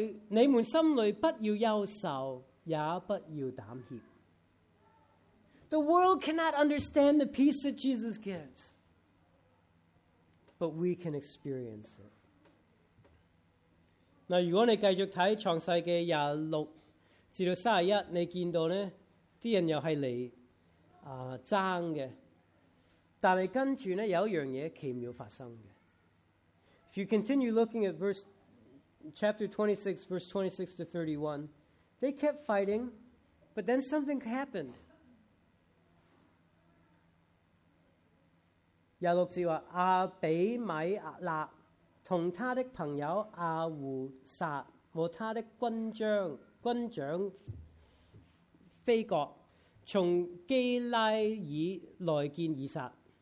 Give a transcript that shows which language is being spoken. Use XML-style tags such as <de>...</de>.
<yue>你们心里不要忧愁，也不要胆怯。</yue> <en>The world cannot understand the peace that Jesus gives, but we can experience it.</en> <yue>Now, 如果你繼續睇創世記廿六至到三十一，你見到咧啲人又係嚟爭嘅，但係跟住咧有一樣嘢奇妙發生嘅。</yue> <en>If you continue looking at chapter 26, verse 26 to 31, they kept fighting, but then something happened.</en> <yue>廿六節話亞比米勒同他的朋友阿胡撒和他的軍長菲國從基拉爾來見以撒。</yue>